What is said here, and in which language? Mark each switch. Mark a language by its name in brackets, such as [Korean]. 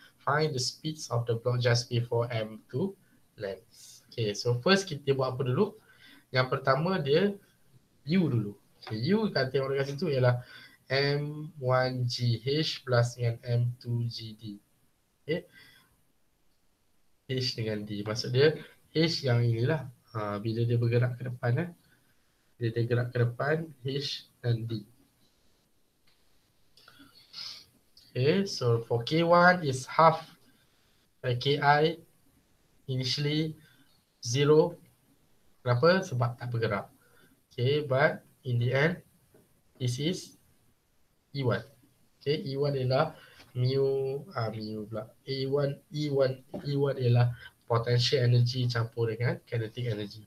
[English] Find the speeds of the block just before M2 lands. [Malay] Okay, so first kita buat apa dulu? Yang pertama dia u dulu. Okay, u kat teori kat situ ialah m1gh plus dengan m2gd. Okay, h dengan d. Maksud dia h yang inilah. Bila dia bergerak ke depan, dia gerak ke depan, h dan d. [English] Okay, so for K1 is half KI initially 0. [Malay] Kenapa? Sebab tak bergerak. [English] Okay, but in the end this is E1. [Malay] Okay, E1 ialah E1 ialah potential energy campur dengan kinetic energy.